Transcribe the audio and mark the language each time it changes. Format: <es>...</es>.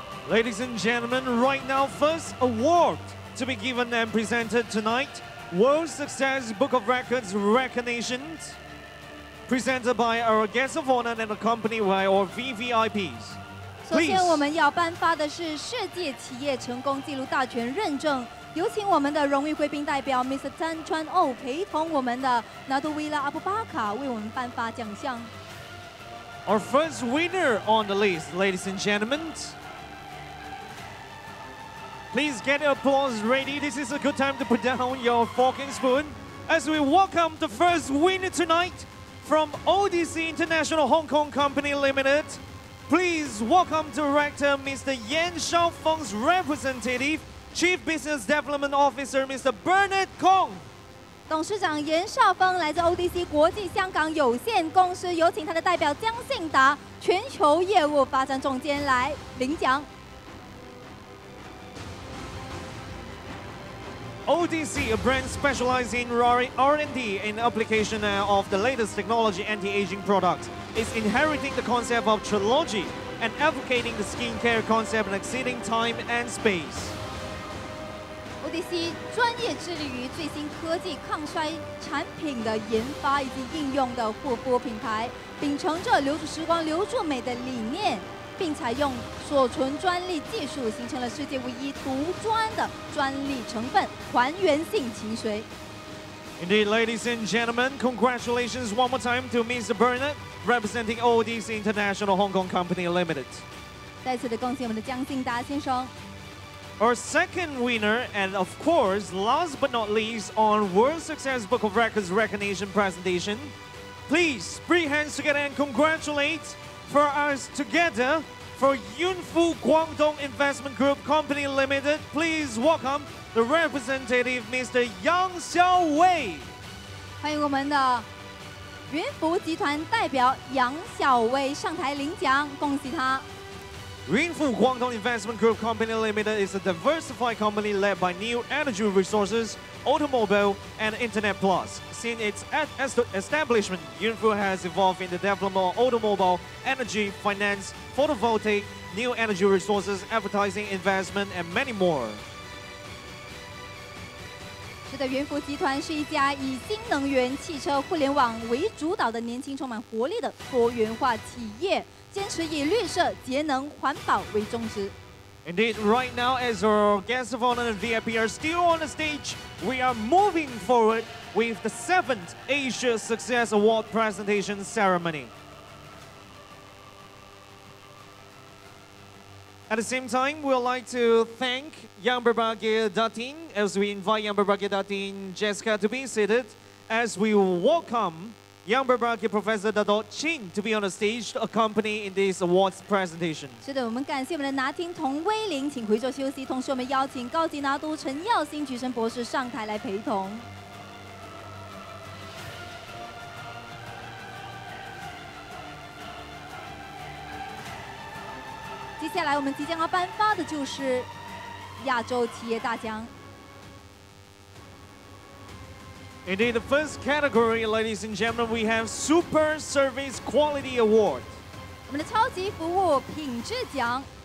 <en>Ladies and gentlemen, right now, first award to be given and presented tonight, World Success Book of Records Recognitions, presented by our guest of honor and accompanied by our VVIPs.</en> <zh>首先我们要颁发的是世界企业成功纪录大全认证，有请我们的荣誉贵宾代表 Mr. Tan Chuan Oh 陪同我们的 Nadu Villa Abu Bakar 为我们颁发奖项。</zh> <en>Our first winner on the list, ladies and gentlemen. Please get your applause ready. This is a good time to put down your fork and spoon as we welcome the first winner tonight from ODC International Hong Kong Company Limited. Please welcome Director Mr. Yan Xiaofeng's representative, Chief Business Development Officer Mr. Bernard Kong.</en> <zh>董事长严绍峰来自 ODC 国际香港有限公司，有请他的代表江信达全球业务发展总监来领奖。</zh> <en>ODC, a brand specializing in R&D and application of the latest technology anti-aging products, is inheriting the concept of Trilogy and advocating the skincare concept and exceeding time and space.</en> <zh>ODC 专业致力于最新科技抗衰产品的研发以及应用的护肤品牌，秉承着留住时光、留住美的理念。并采用锁存专利技术，形成了世界唯一独专的专利成分还原性勤水。</zh> <en>Indeed, ladies and gentlemen, congratulations one more time to Mr. Bernard, representing ODC International Hong Kong Company Limited.</en> <zh>再次的恭喜我们的江信达先生。</zh> <en>Our second winner, and of course, last but not least, on World Success Book of Records recognition presentation, please bring hands together and congratulate. For us together, for Yunfu Guangdong Investment Group Company Limited, please welcome the representative, Mr. Yang Xiaowei.</en> <zh>欢迎我们的云福集团代表杨小薇上台领奖，恭喜他。</zh> <en>Yunfu Guangdong Investment Group Company Limited is a diversified company led by new energy resources, automobile, and Internet Plus. Since its establishment, Yunfu has evolved in the development of automobile, energy, finance, photovoltaic, new energy resources, advertising, investment, and many more.</en> <zh>是的，云福集团是一家以新能源汽车互联网为主导的年轻、充满活力的多元化企业，坚持以绿色、节能、环保为宗旨。</zh> <en>Indeed, right now, as our guest of honor and VIP are still on the stage, we are moving forward with the 7th Asia Success Award Presentation Ceremony. At the same time, we'd like to thank Yang Berbahagia Datin, as we invite Yang Berbahagia Datin Jessica to be seated, as we welcome Yang Berbahagia Professor Dato' Chin to be on the stage to accompany in this awards presentation.</en> <zh>是的，我们感谢我们的拿丁童威林，请回座休息。同时，我们邀请高级拿督陈耀新菊生博士上台来陪同。接下来，我们即将要颁发的就是亚洲企业大奖。</zh> <en>Indeed, the first category, ladies and gentlemen, we have Super Service Quality Award.</en> <zh>我们的超级服务品质奖。</zh>